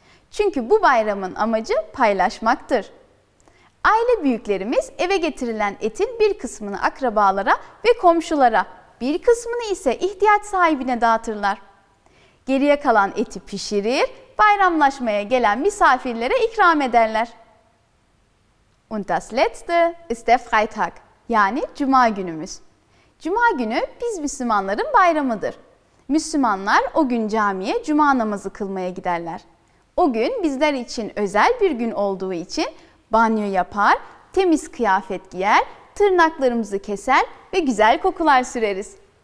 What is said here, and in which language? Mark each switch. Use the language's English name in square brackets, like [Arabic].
[Turkish] Çünkü bu bayramın amacı paylaşmaktır. Aile büyüklerimiz eve getirilen etin bir kısmını akrabalara ve komşulara, bir kısmını ise ihtiyaç sahibine dağıtırlar. Geriye kalan eti pişirir, bayramlaşmaya gelen misafirlere ikram ederler. [German] Und das letzte ist der Freitag, [Turkish] yani Cuma günümüz. Cuma günü biz Müslümanların bayramıdır. Müslümanlar o gün camiye Cuma namazı kılmaya giderler. O gün bizler için özel bir gün olduğu için banyo yapar, temiz kıyafet giyer, tırnaklarımızı keser ve güzel kokular süreriz.